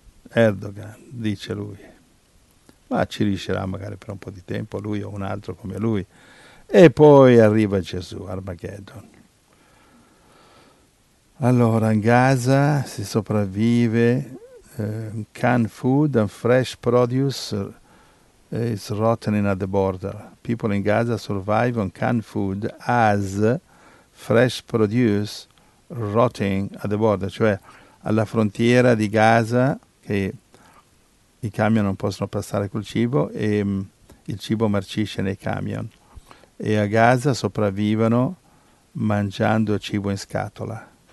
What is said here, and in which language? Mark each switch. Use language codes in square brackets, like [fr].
[it] Erdogan, dice lui. Ma ci riuscirà magari per un po' di tempo, lui o un altro come lui. E poi arriva Gesù, Armageddon. Allora, in Gaza si sopravvive. [en] Canned food and fresh produce is rotting at the border. People in Gaza survive on canned food as fresh produce rotting at the border. [it] Cioè, alla frontiera di Gaza, che i camion non possono passare col cibo e il cibo marcisce nei camion. E a Gaza sopravvivono mangiando cibo in scatola.